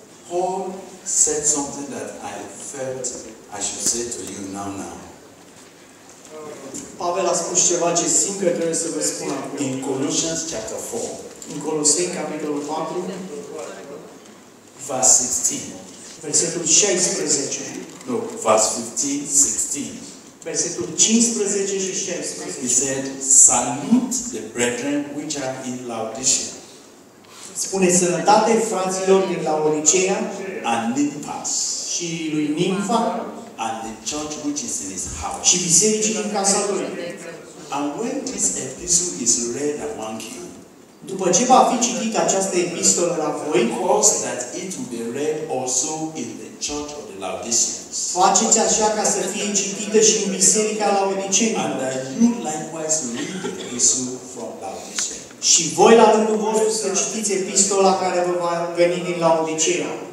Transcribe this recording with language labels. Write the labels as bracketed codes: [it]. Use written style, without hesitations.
[en] Paul said something that I felt I should say to you now. [ro] Pavel a spus ceva ce simt că trebuie să vă spun acum. [en] In Colossians chapter 4. [ro] În Coloseni capitolul 4, [en] verse 16. [ro] Versetul 16. [en] No, verse 15, 16. [ro] Versetul 15 și 16. [en] He said, salute the brethren which are in Laodicea. [ro] Spune sănătate fraților din Laodicea. [en] And Nymphas. [ro] Și lui Nimfa. [en] And the church which is in his house. [ro] Și bisericii din casa lui. [en] And when this epistle is read among you. [ro] După ce va fi citit această epistolă la voi. [en] Cause that it will be read also in the church of the Laodiceans. [ro] Faceți așa ca să fie citită și în biserica Laodicenilor. [en] And that you likewise read the epistle from Laodicea. [ro] Și voi la rândul vostru să citiți epistola care vă va veni din Laodicea.